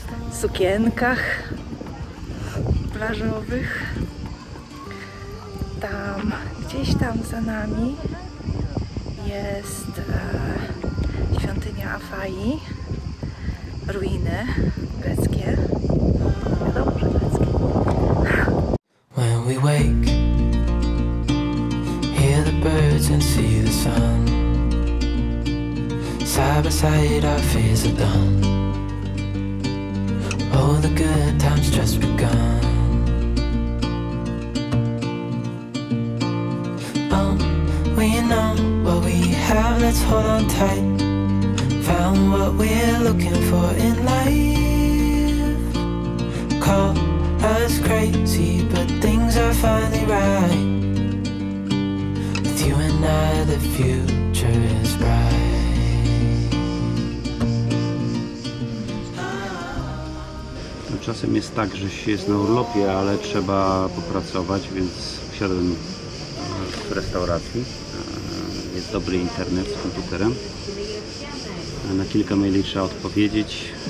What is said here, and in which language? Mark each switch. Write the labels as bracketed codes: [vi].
[pl] W sukienkach plażowych. Tam, gdzieś tam za nami jest świątynia Afai, ruiny greckie. Wiadomo, że greckie. [en] When we wake, hear the birds and see the sun, side by side our fears are done. the good times just begun. Oh, we know what we have, let's hold on tight. Found what we're looking for in life. Call us crazy, but things are finally right. With you and I, the future is bright. [pl] Czasem jest tak, że się jest na urlopie, ale trzeba popracować, więc wsiadłem w restauracji. Jest dobry internet z komputerem. Na kilka maili trzeba odpowiedzieć.